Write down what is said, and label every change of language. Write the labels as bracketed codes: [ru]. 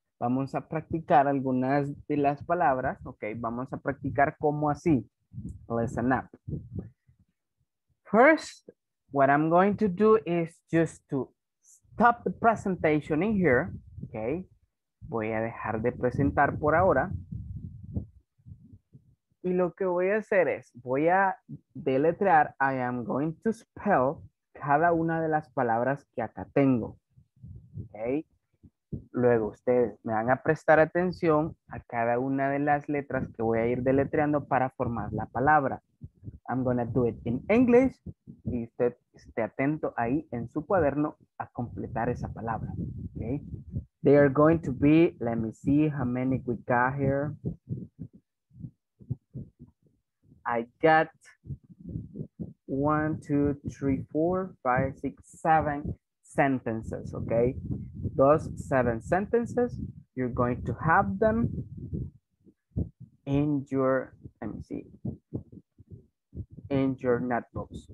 [es] Vamos a practicar algunas de las palabras. Okay. Vamos a practicar como así. [en] Listen up. First, what I'm going to do is just to stop the presentation in here, okay? [es] Voy a dejar de presentar por ahora. Y lo que voy a hacer es, voy a deletrear, [en] I am going to spell [es] cada una de las palabras que acá tengo, okay? Luego ustedes me van a prestar atención a cada una de las letras que voy a ir deletreando para formar la palabra. [en] I'm going to do it in English. [es] Y usted esté atento ahí en su cuaderno a completar esa palabra. [en] Okay. They are going to be, let me see how many we got here. I got 7 sentences. Okay. Those 7 sentences, you're going to have them in your, let me see, in your notebooks.